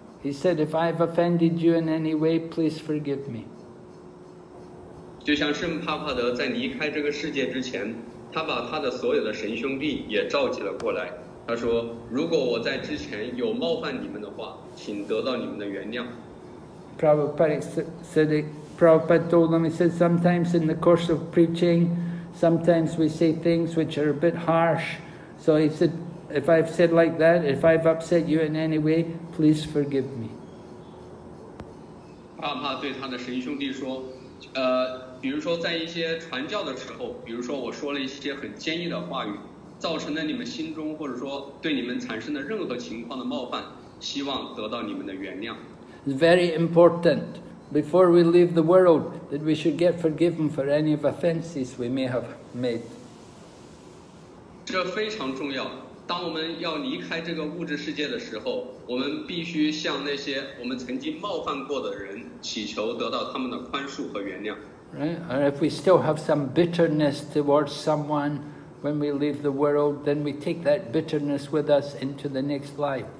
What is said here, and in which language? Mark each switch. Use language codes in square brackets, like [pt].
[en] He said, if I have offended you in any way, please forgive me. [zh] 就像圣帕帕德在离开这个世界之前，他把他的所有的神兄弟也召集了过来。他说，如果我在之前有冒犯你们的话，请得到你们的原谅。 [en] Prabhupada told them, he said, sometimes in the course of preaching, sometimes we say things which are a bit harsh. So he said, if I've said like that, if I've upset you in any way, please forgive me. [zh] Prabhupada 对他的神兄弟说，比如说在一些传教的时候，比如说我说了一些很尖锐的话语，造成了你们心中或者说对你们产生的任何情况的冒犯，希望得到你们的原谅。 [en] Very important. Before we leave the world, that we should get forgiven for any of offenses we may have made. [zh] 这非常重要。当我们要离开这个物质世界的时候，我们必须向那些我们曾经冒犯过的人祈求得到他们的宽恕和原谅。 [en] Right? Or if we still have some bitterness towards someone when we leave the world, then we take that bitterness with us into the next life.